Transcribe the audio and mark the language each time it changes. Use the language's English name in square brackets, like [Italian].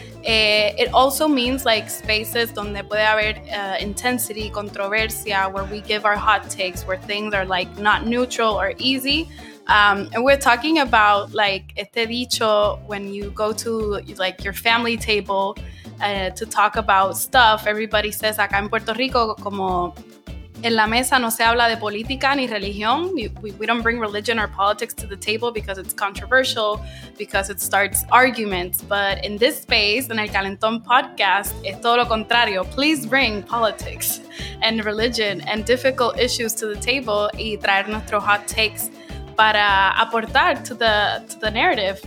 [English] It also means like spaces [Spanish] donde puede haber [English] intensity, controversia, where we give our hot takes, where things are like not neutral or easy. And we're talking about like [Spanish] este dicho [English] when you go to like your family table to talk about stuff. Everybody says [Spanish] acá en Puerto Rico como en la mesa no se habla de política ni religión. [English] We don't bring religion or politics to the table because it's controversial, because it starts arguments. But in this space, in el Calentón podcast, [Spanish] es todo lo contrario. [English] Please bring politics and religion and difficult issues to the table [Spanish] y traer nuestros [English] hot takes [Spanish] para aportar [English] to the narrative.